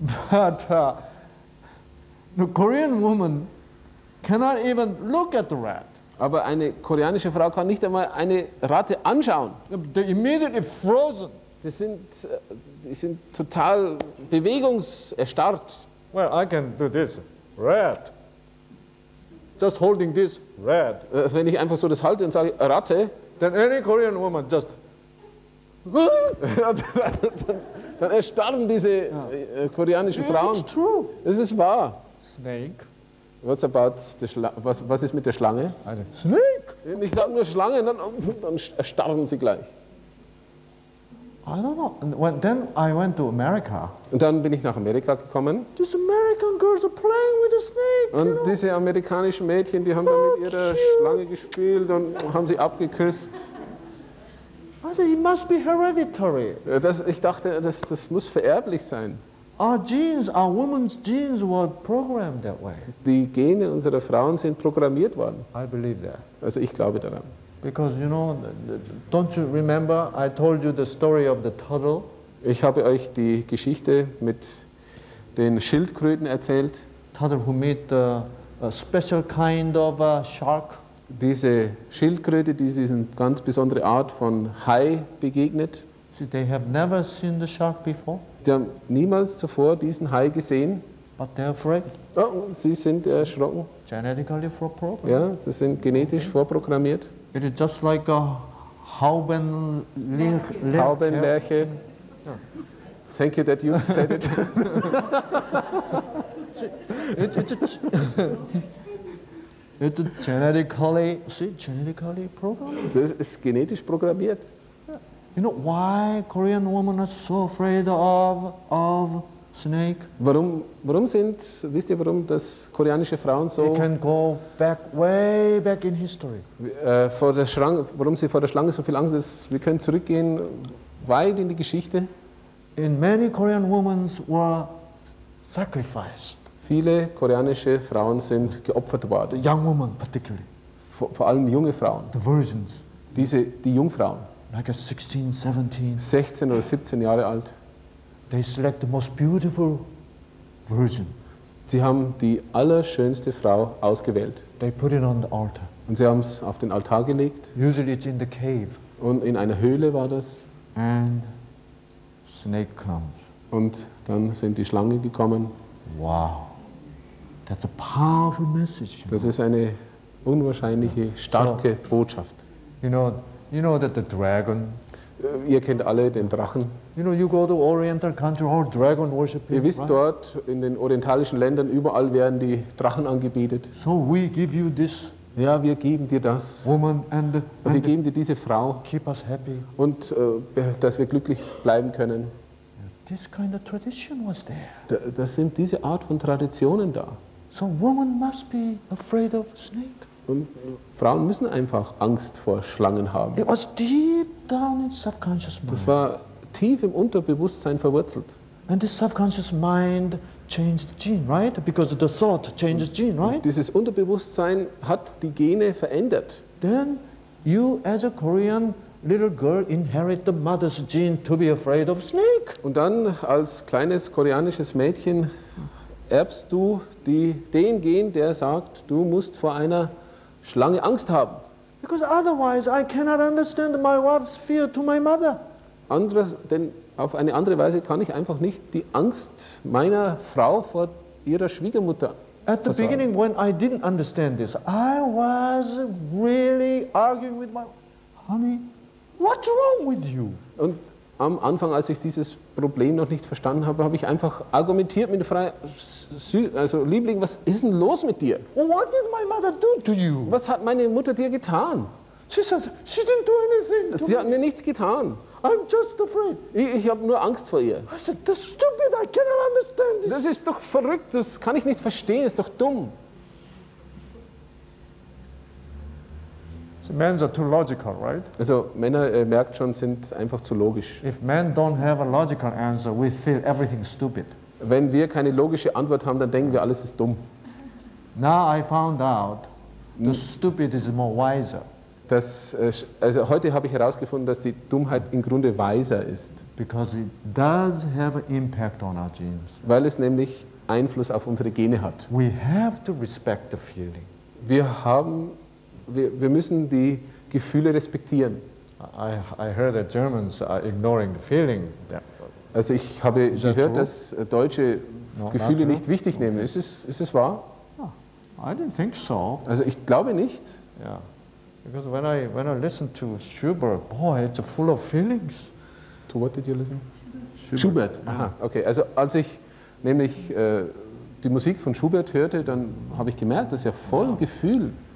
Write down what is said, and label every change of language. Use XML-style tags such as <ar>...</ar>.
<en>But the Korean woman cannot even look at the rat.</en> <de>Aber eine koreanische Frau kann nicht einmal eine Ratte anschauen.</de> <en>They're immediately frozen.</en> <de>Die sind total bewegungserstarrt.</de> <en>Well, I can do this. Rat. Just holding this. Rat.</en> <de>Wenn ich einfach so das halte und sage, Ratte.</de> <en>Then any Korean woman just...</en> <de>dann erstarren diese koreanischen Frauen.</de> <en>It's true.</en> <de>Es ist wahr.</de> <en>Snake. What's about the</en> <de>was ist mit der Schlange?</de> <en>Snake!</en> <de>Ich sage nur Schlange, dann erstarren sie gleich.</de> <en>I don't know. Then I went to America.</en> <de>Und dann bin ich nach Amerika gekommen.</de> <en>These American girls are playing with a snake.</en> <de>Und</de> <en>you know?</en> <de>Diese amerikanischen Mädchen, die haben mit ihrer Schlange gespielt und haben sie abgeküsst.</de> <en>I said, it must be hereditary.</en> <de>Ich dachte, das muss vererblich sein.</de> <en>Our genes, our women's genes were programmed that way.</en> <de>Die Gene unserer Frauen sind programmiert worden.</de> <en>I believe that.</en> <de>Also ich glaube daran.</de> <en>Because you know, don't you remember I told you the story of the turtle?</en> <de>Ich habe euch die Geschichte mit den Schildkröten erzählt.</de> <en>Turtle who meet a special kind of a shark.</en> <de>Diese Schildkröte, die diesen ganz besondere Art von Hai begegnet.</de> <en>See, they have never seen the shark before.</en> <de>Sie haben niemals zuvor diesen Hai gesehen.</de> <en>But they're afraid.</en> <de>Oh, sie sind erschrocken.</de> <en>Genetically programmed.</en> <de>Ja, sie sind genetisch vorprogrammiert.</de> <en>It is just like a Haubenlerche. Haubenlerche. Thank you that you said it. It's genetically programmed.</en> <de>Das ist genetisch programmiert.</de> <en>You know why Korean women are so afraid of snake?</en> <de>Wisst ihr, warum das koreanische Frauen so?</de> <en>They can go back way back in history.</en> <de>Warum sie vor der Schlange so viel Angst ist? Wir können zurückgehen weit in die Geschichte.</de> <en>In many Korean women were sacrificed.</en> <de>Viele koreanische Frauen sind geopfert worden.</de> <en>The young women particularly.</en> <de>Vor allem junge Frauen.</de> <en>The virgins.</en> <de>Die Jungfrauen.</de> <en>Like a 16, 17.</en> <de>16 oder 17 Jahre alt.</de> <en>They select the most beautiful virgin.</en> <de>Sie haben die allerschönste Frau ausgewählt.</de> <en>They put it on the altar.</en> <de>Und sie haben es auf den Altar gelegt.</de> <en>Usually it's in the cave.</en> <de>Und in einer Höhle war das.</de> <en>And snake comes.</en> <de>Und dann sind die Schlangen gekommen.</de> <en>Wow. That's a powerful message.</en> <de>Das ist eine unwahrscheinliche, starke Botschaft.</de> <en>You know that the dragon.</en> <de>Ihr kennt alle den Drachen.</de> <en>You know, you go to Oriental country, all dragon worship people.</en> <de>Ihr wisst dort in den orientalischen Ländern überall werden die Drachen angebetet.</de> <en>So we give you this.</en> <de>Ja, wir geben dir das.</de> <en>Woman and.</en> <de>Wir geben dir diese Frau.</de> <en>Keep us happy.</en> <de>Und dass wir glücklich bleiben können.</de> <en>This kind of tradition was there.</en> <de>Das sind diese Art von Traditionen da.</de> <en>So woman must be afraid of snake.</en> <de>Und Frauen müssen einfach Angst vor Schlangen haben.</de> <en>It was deep down in subconscious mind.</en> <de>Das war tief im Unterbewusstsein verwurzelt.</de> <en>And the subconscious mind change the gene, right? Because the thought changes gene, right?</en> <de>Dieses Unterbewusstsein hat die Gene verändert.</de> <en>Then you as a Korean little girl inherit the mother's gene to be afraid of snake.</en> <de>Und dann als kleines koreanisches Mädchen erbst du den Gen, der sagt, du musst vor einer Schlange Angst haben.</de> <en>Because otherwise I cannot understand my wife's fear to my mother.</en> <de>Denn auf eine andere Weise kann ich einfach nicht die Angst meiner Frau vor ihrer Schwiegermutter versorgen.</de> <en>At the beginning when I didn't understand this, I was really arguing with my honey. What's wrong with you?</en> <de>Und am Anfang, als ich dieses Problem noch nicht verstanden habe, habe ich einfach argumentiert mit der Frau, also Liebling, was ist denn los mit dir?</de> <en>What did my mother do to you?</en> <de>Was hat meine Mutter dir getan?</de> <en>She said, she didn't do anything.</en> <de>Sie hat mir nichts getan.</de> <en>I'm just afraid.</en> <de>Ich habe nur Angst vor ihr.</de> <en>I said, that's stupid, I cannot understand this.</en> <de>Das ist doch verrückt, das kann ich nicht verstehen, ist doch dumm.</de> <en>Men are too logical, right?</en> <de>Also Männer merkt schon, sind einfach zu logisch.</de> <en>If men don't have a logical answer, we feel everything stupid.</en> <de>Wenn wir keine logische Antwort haben, dann denken wir, alles ist dumm.</de> <en>Now I found out, the stupid is more wiser.</en> <de>Also heute habe ich herausgefunden, dass die Dummheit im Grunde weiser ist.</de> <en>Because it does have an impact on our genes.</en> <de>Weil es nämlich Einfluss auf unsere Gene hat.</de> <en>We have to respect the feeling.</en> <de>Wir müssen die Gefühle respektieren.</de> <en>I heard that Germans are ignoring the feeling.</en> <de>Also ich habe gehört, dass Deutsche Gefühle nicht wichtig nehmen. Okay. Ist es wahr?</de> <en>I didn't think so.</en> <de>Also ich glaube nicht.</de> <en>Yeah. Because when I listen to Schubert, boy, it's full of feelings. To what did you listen? Schubert. Aha, okay.</en> <de>Also als ich nämlich die Musik von Schubert hörte, dann habe ich gemerkt, dass er voll Gefühl.</de>